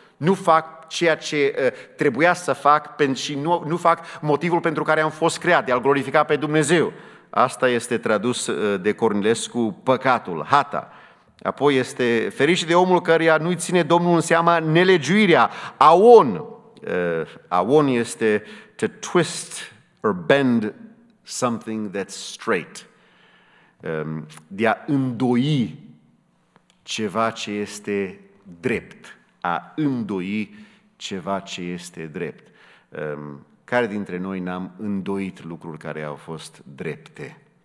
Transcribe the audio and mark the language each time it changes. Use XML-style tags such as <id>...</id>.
<ro>Nu fac ceea ce trebuia să fac și nu fac motivul pentru care am fost creat, de a-L glorifica pe Dumnezeu. Asta este tradus de Cornilescu, păcatul, hata. Apoi este fericit de omul căruia nu-i ține Domnul în seamă nelegiuirea, aon. Aon este</ro> <en>to twist or bend something that's straight.</en> <ro>De a îndoi ceva ce este drept. A îndoi ceva ce este drept. Care dintre noi n-am îndoit lucruri care au fost drepte?</ro>